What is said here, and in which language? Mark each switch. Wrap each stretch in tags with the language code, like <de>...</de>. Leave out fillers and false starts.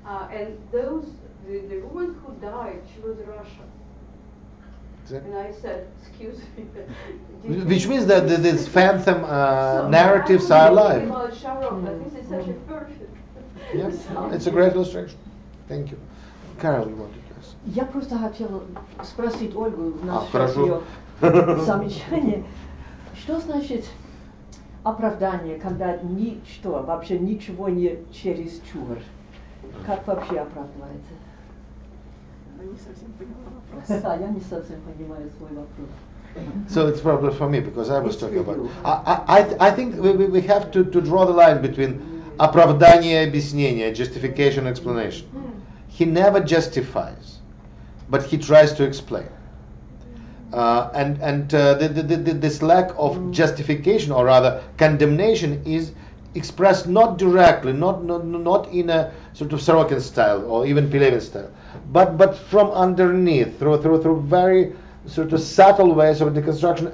<en>And those, the woman who died, she was Russian. And I said, excuse me. Which means that these phantom narratives are alive. I'm thinking about Sharov, but this is such a perfect. Yes, it's a great illustration. Thank you. Carol, you wanted to ask?</en> <ru>Я просто хотела спросить Ольгу насчет ее замечания. Что значит оправдание, когда ничто, вообще ничего не чересчур? Как вообще оправдывается? Я не совсем понимаю свой вопрос.</ru> <en>So it's probably for me, because I was talking about... I think we have to draw the line between</en> <ru>оправдание, объяснение,</ru> <en>justification, explanation. He never justifies, but he tries to explain. This lack of justification, or rather condemnation, is expressed not directly, not in a sort of Sorokin style or even Pilevin style, but from underneath, through very sort of subtle ways of deconstruction.</en>